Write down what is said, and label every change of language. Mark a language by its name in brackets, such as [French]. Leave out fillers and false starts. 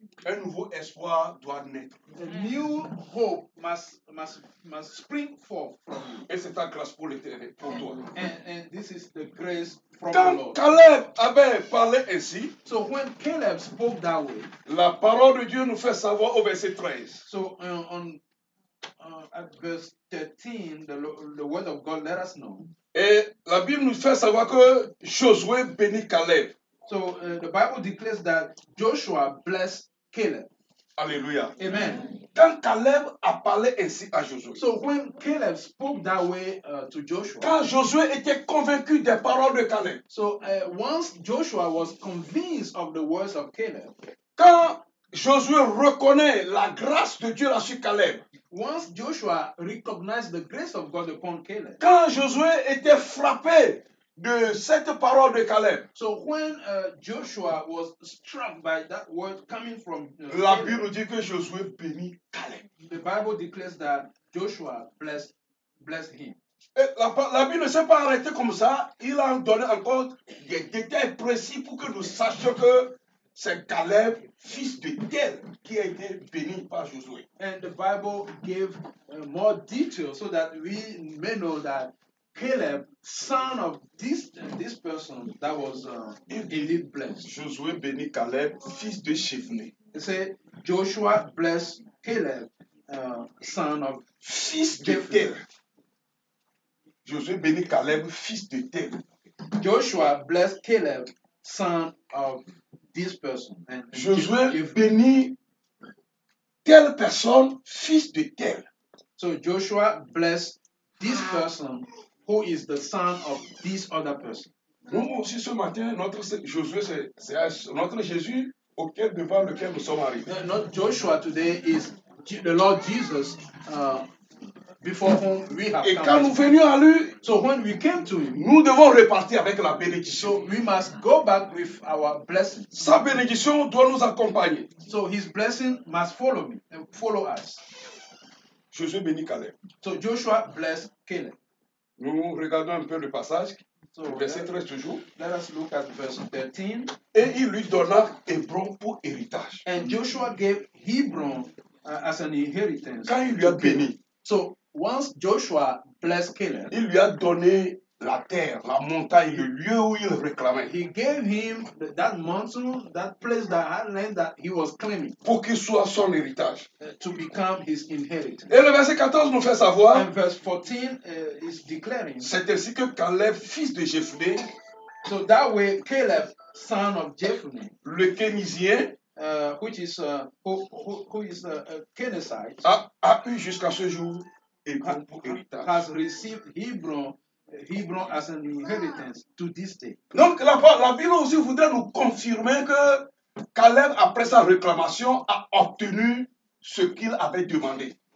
[French] Un nouveau espoir doit naître. [English] A new hope must spring forth from you. [French] Et c'est ta grâce pour l'Éternel, pour toi. [English] And this is the grace from [French] Quand [English] the Lord. [French] Quand Caleb avait parlé ainsi. [English] So when Caleb spoke that way. [French] La parole de Dieu nous fait savoir au verset 13. [English] So at verse 13, the word of God let us know. [French] Et la Bible nous fait savoir que Josué bénit Caleb. [English] So the Bible declares that Joshua blessed Caleb. [French] Alléluia. Amen. Quand Caleb a parlé ainsi à Josué. [English] So when Caleb spoke that way to Joshua. [French] Quand Josué était convaincu des paroles de Caleb. [English] So once Joshua was convinced of the words of Caleb. [French] Quand Josué reconnaît la grâce de Dieu sur Caleb. [English] Once Joshua recognized the grace of God upon Caleb. [French] Quand Josué était frappé de cette parole de Caleb. [English] So when Joshua was struck by that word coming from [French] La Bible Caleb, dit que Josué bénit Caleb. [English] The Bible declares that Joshua blessed him. [French] La Bible ne s'est pas arrêtée comme ça. Il a donné encore des détails précis pour que nous sachions que c'est Caleb, fils de Tel, qui a été béni par Josué. [English] And the Bible gave more details so that we may know that Caleb, son of this person, that was indeed blessed. [French] Josué bénit Caleb, fils de Chéphné. [English] It said, Joshua blessed Caleb, son of [French] fils de Tel. Josué bénit Caleb, fils de Tel. [English] Joshua blessed Caleb, son of this person. [French] Josué bénit telle personne, fils de Tel. [English] So Joshua blessed this person, who is the son of this other person. [French] Nous aussi ce matin, notre Josué, c'est notre Jésus auquel devant lequel nous sommes arrivés. [English] Not Joshua today is the Lord Jesus before whom we have [French] Et quand nous venions à lui, [English] so when we came to him, [French] nous devons repartir avec la bénédiction. [English] So we must go back with our blessing. [French] Sa bénédiction doit nous accompagner. [English] So his blessing must follow me and follow us. [French] Josué bénit Caleb. [English] So Joshua blessed Caleb. [French] Nous regardons un peu le passage, so, verset 13 toujours. [English] Let us look at verse 13. [French] Et il lui donna Hébron pour héritage. [English] And Joshua gave Hebron as an inheritance. [French] Quand il lui a béni. [English] So once Joshua blessed Caleb, [French] il lui a donné la terre, la montagne, le lieu où il réclamait. [English] He gave him that mountain, that place, that land that he was claiming. [French] Pour qu'il soit son héritage. [English] To become his inheritance. [French] Et le verset 14 nous fait savoir. [English] And verse 14 is declaring. [French] C'est ainsi que Caleb, fils de Jephunné. [English] So that way, Caleb, son of Jephunné. [French] Le Kenizien. [English] Which is who is a Kenizzite. [French] A eu jusqu'à ce jour Hébron pour héritage. [English] Has received Hebron. Hebron as an inheritance to this day. [French] Donc la Bible aussi voudrait nous confirmer que Caleb, après sa réclamation, a obtenu ce qu'il avait demandé.